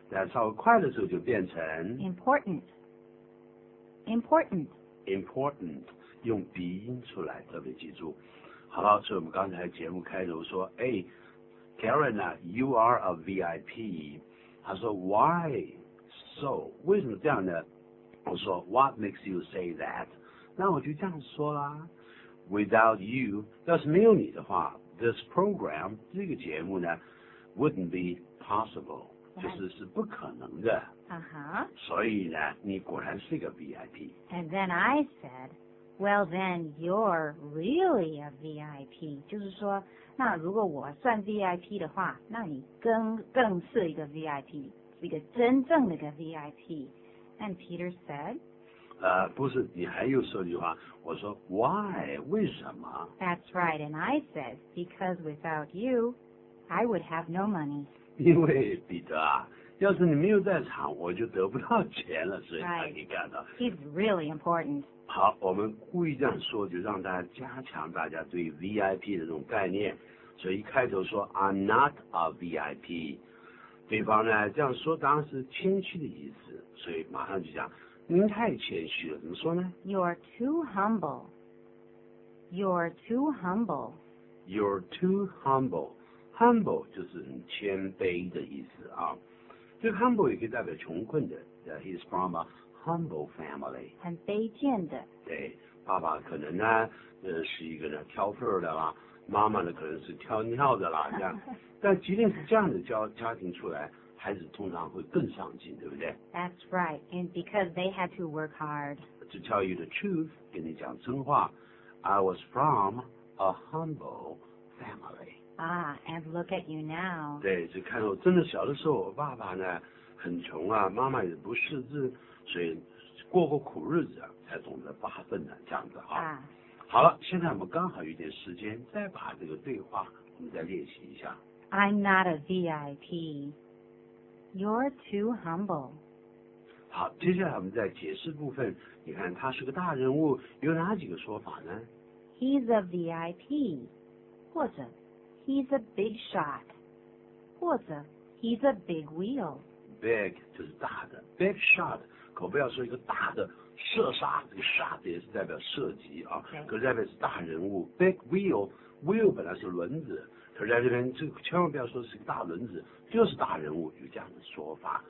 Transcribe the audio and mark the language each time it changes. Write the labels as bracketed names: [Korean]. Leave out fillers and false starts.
[Chinese] 但稍微快的时候就变成 [English] Important Important [Chinese] Important 用鼻音出来特别记住好了所以我们刚才节目开头说哎 [English] Karen, you are a VIP. [Chinese] 他说 [English] why so? [Chinese] 为什么这样呢？我说 [English] what makes you say that? [Chinese] 那我就这样说啦。 [English] Without you, [Chinese] 要是没有你的话 [English] this program, [Chinese] 这个节目呢 [English] wouldn't be possible. [Chinese] 就是是不可能的。 Uh-huh. 所以呢你果然是一个 VIP. [English] And then I said,Well, then, you're really a VIP. [Chinese] 就是说那如果我算 VIP 的话那你 更是一个 VIP, 一个真正的一个 VIP. [English] And Peter said, [Chinese] 不是你还又说一句话我说 [English] why, [Chinese] 为什么 [English] That's right. And I said, because without you, I would have no money. [Chinese] 因为彼得啊要是你没有在场我就得不到钱了所以才可以干到。 [English] Right. He's really important. [Chinese] 好我们故意这样说就让大家加强大家对 VIP 的这种概念所以一开头说 [English] I'm not a VIP [Chinese] 对方呢这样说当然是谦虚的意思所以马上就讲您太谦虚了怎么说呢 [English] You're too humble You're too humble You're too humble [Chinese] Humble 就是很谦卑的意思啊这个 humble 也可以代表穷困的 [English] He's from aHumble family [Chinese] 很卑贱的对爸爸可能呢、是一个呢挑粪的啦妈妈呢可能是挑尿的啦这样但即便是这样的 家庭出来孩子通常会更上进对不对 [English] That's right and because they had to work hard To tell you the truth [Chinese] 跟你讲真话 [English] I was from a humble family Ah and look at you now [Chinese] 对就看到真的小的时候我爸爸呢很穷啊妈妈也不识字所以过过苦日子、啊、才懂得发奋的、啊、这样子啊。好了现在我们刚好有点时间再把这个对话我们再练习一下 [English] I'm not a VIP You're too humble [Chinese] 好接下来我们再解释部分你看他是个大人物有哪几个说法呢 [English] He's a VIP 或者 He's a big shot 或者 He's a big wheel [Chinese] Big 就是大的 Big shot可不要说一个大的射杀这个 shot 也是代表射击啊、 [English] okay. [Chinese] 可是在这边是大人物 big wheel wheel 本来是轮子可是在这边就千万不要说是个大轮子就是大人物有这样的说法、